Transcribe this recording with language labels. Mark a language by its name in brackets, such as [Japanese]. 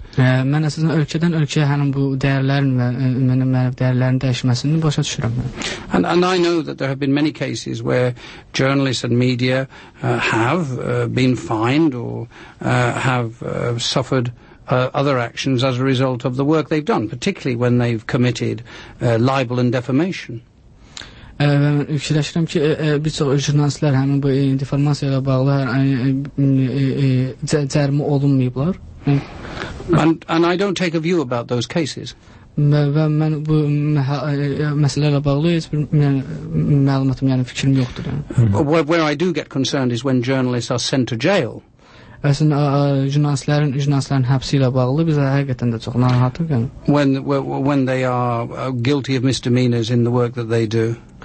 [Azerbaijani] Mən əsasən ölkədən ölkəyə həmin bu dəyərlərin və mənəvi dəyərlərin dəyişməsini başa düşürəm. [English] And I know that there have been many cases where journalists and media have been fined or have suffered other actions as a result of the work they've done, particularly when they've committed libel and defamation. [Azerbaijani] Mən fikirləşirəm ki, bir çox jurnalistlər həmin bu informasiya ilə bağlı cərimə olunmayıblar. [English] And I don't take a view about those cases. [Azerbaijani] Və mən bu məsələ ilə bağlı heç bir məlumatım, yəni fikrim yoxdur. [English] Where I do get concerned is when journalists are sent to jail. [Azerbaijani] Əslində, jurnalistlərin həbsi ilə bağlı bizə həqiqətən də çox narahatlıq yəni. [English] When they are guilty of misdemeanors in the work that they do.